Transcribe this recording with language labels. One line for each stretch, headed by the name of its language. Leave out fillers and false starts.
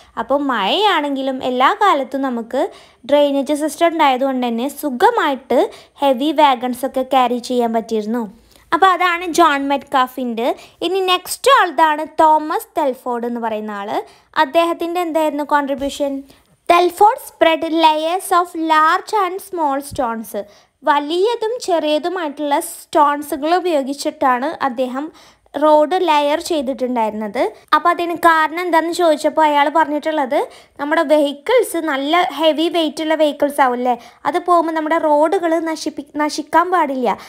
Malayalam: അപ്പോൾ മഴയാണെങ്കിലും എല്ലാ കാലത്തും നമുക്ക് ഡ്രെയിനേജ് സിസ്റ്റം ഉണ്ടായതുകൊണ്ട് തന്നെ സുഖമായിട്ട് ഹെവി വാഗൺസൊക്കെ ക്യാരി ചെയ്യാൻ പറ്റിയിരുന്നു. അപ്പോൾ അതാണ് ജോൺ മെറ്റ്കാഫിൻ്റെ. ഇനി നെക്സ്റ്റ് ആൾതാണ് തോമസ് ടൾഫോർഡ് എന്ന് പറയുന്ന ആൾ. അദ്ദേഹത്തിൻ്റെ എന്തായിരുന്നു contribution?
English: Telford spread layers of large and small stones.
Malayalam: വലിയതും ചെറിയതുമായിട്ടുള്ള സ്റ്റോൺസുകൾ ഉപയോഗിച്ചിട്ടാണ് അദ്ദേഹം റോഡ് ലെയർ ചെയ്തിട്ടുണ്ടായിരുന്നത്. അപ്പോൾ അതിന് കാരണം എന്താണെന്ന് ചോദിച്ചപ്പോൾ അയാൾ പറഞ്ഞിട്ടുള്ളത് നമ്മുടെ വെഹിക്കിൾസ് നല്ല ഹെവി വെയിറ്റുള്ള വെഹിക്കിൾസ് ആവില്ലേ, അത് പോകുമ്പോൾ നമ്മുടെ റോഡുകൾ നശിക്കാൻ പാടില്ല.